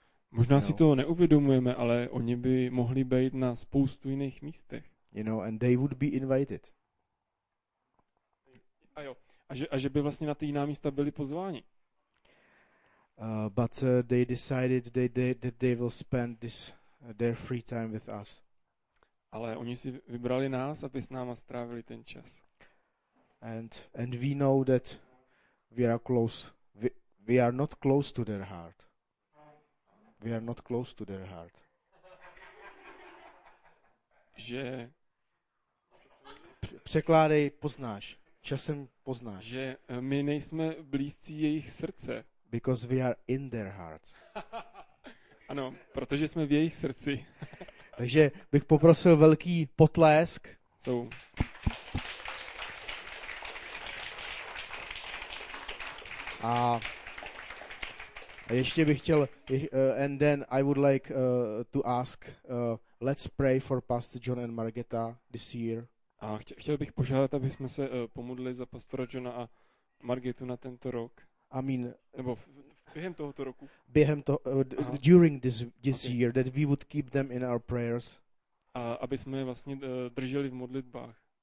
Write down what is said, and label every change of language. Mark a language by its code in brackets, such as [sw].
[cs] Možná si to neuvědomujeme, ale oni by mohli být na spoustu jiných místech. [en] You know, and they would be invited. [cs] A jo, a že by vlastně na ty jiná místa byli pozváni. [en] But they decided that they will spend this their free time with us. [cs] Ale oni si vybrali nás, aby s náma strávili ten čas. [en] And we know that we are close. We are not close to their heart. We are not close to their heart. [cs] Že překládej, poznáš. Časem poznáš. Že my nejsme blízcí jejich srdce. [en] Because we are in their heart. [cs] Ano, protože jsme v jejich srdci. Takže bych poprosil velký potlesk. [en] So. [cs] A ještě bych chtěl, [en] and then I would like to ask, let's pray for Pastor John and Margeta this year. [cs] A chtěl bych požádat, aby jsme se pomodlili za pastora Johna a Margetu na tento rok. [en] I mean, [cs] nebo během tohoto roku. Během to, [en] during this okay. year, that we would keep them in our prayers. [cs] A aby jsme je vlastně drželi v modlitbách.